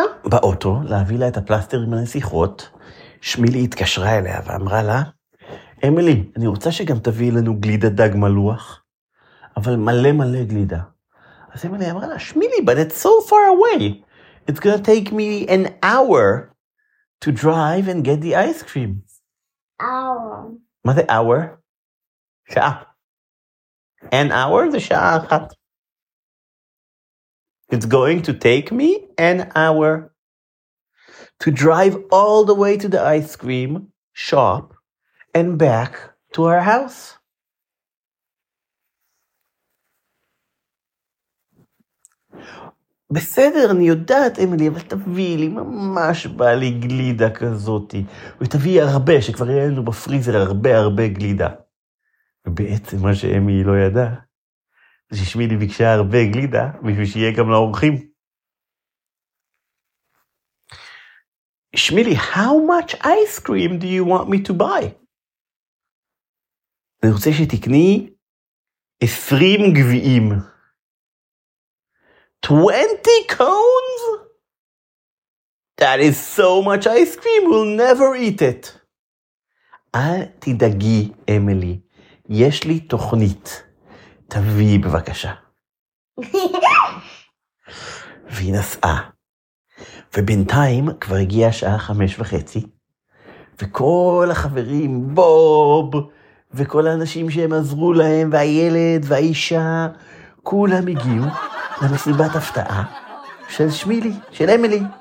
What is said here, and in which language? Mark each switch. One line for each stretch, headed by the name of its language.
Hebrew: באוטו, להביא לה את הפלסטר עם הנסיכות, שמילי התקשרה אליה ואמרה לה, אמילי, אני רוצה שגם תביא לנו גלידה דג מלוח, אבל מלא מלא גלידה. אז אמילי אמרה לה, שמילי,
English: but it's so far away. It's gonna take me an hour to drive and get the ice cream. Hour.
Hebrew: מה זה hour? שעה. An hour זה שעה אחת.
English: It's going to take me an hour to drive all the way to the ice cream shop and back to our house.
Hebrew: בסדר, אני יודעת, אמילי, אבל תביא לי, ממש בא לי גלידה כזאת. ותביא הרבה, שכבר יהיה לנו בפריזר הרבה הרבה גלידה. ובעצם מה שאמילי לא ידע, זה ששמילי ביקשה הרבה גלידה, בשביל שיהיה גם לאורחים.
English: שמילי, how much ice cream do you want me to buy?
Hebrew: אני רוצה שתקני 20 גביעים.
English: 20 cones? That is so much ice cream, we'll never eat it.
Hebrew: אל תדאגי, אמילי, יש לי תוכנית. תביא בבקשה. והיא נסעה. ובינתיים כבר הגיעה שעה 5:30, וכל החברים, בוב, וכל האנשים שהם עזרו להם, והילד והאישה, כולם הגיעו למסיבת הפתעה של שמילי, של אמילי.